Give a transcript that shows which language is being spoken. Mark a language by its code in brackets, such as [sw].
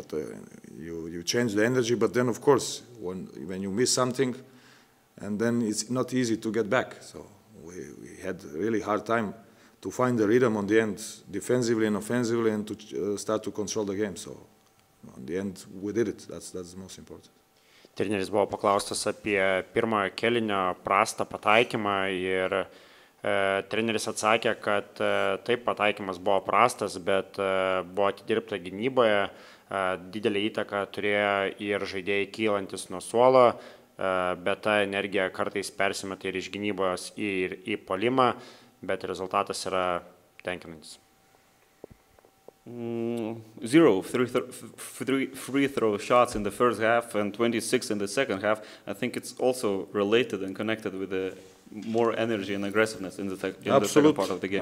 [en] But you change the energy, but then of course when you miss something, and then it's not easy to get back. So we had really hard time to find the rhythm on the end, defensively and offensively, and to start to control the game. So, on the end, we did it. That's the most important. [lt] Treneris buvo paklaustas apie pirmojo kelinio prastą pataikymą, ir treneris atsakė, kad taip, pataikymas buvo prastas, bet buvo atidirbta gynyboje. Didelį įtaką turėjo ir žaidėjai kylantis nuo suolo, bet ta energija kartais persimeta ir iš gynybos į polimą. Bet rezultatas yra tenkinantis. [en] 0 free throw shots in the first half and 26 in the second half. I think it's also related and connected with the more energy and aggressiveness in the second part of the game.